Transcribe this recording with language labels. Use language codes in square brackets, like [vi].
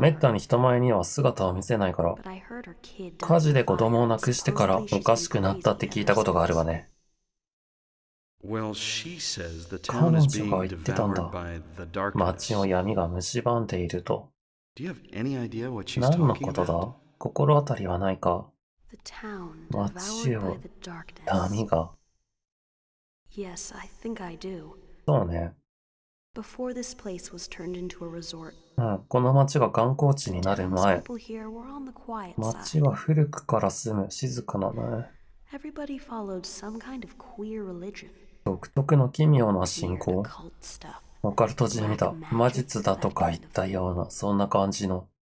[ja] めったに人前には姿を見せないから。 [en] But I heard her kid died。 [ja] 火事で子供を亡くしてからおかしくなったって聞いたことがあるわね。 [en] Well, she says the town is being devoured by the darkness。 [ja] 町を闇が蝕んでいると。 [en] Do you have any idea what she's talking about？ [ja] 何のことだ？心当たりはないか。町を闇が。 [en] Yes, I think I do。 [ja] そうね。 [en] Before this place was turned into a resort。 [ja] うん、この町が観光地になる前、町は古くから住む静かなね。 [en] Everybody followed some kind of queer religion。 [ja] 独特の奇妙な信仰。オカルト人見た、魔術だとか言ったような、そんな感じの。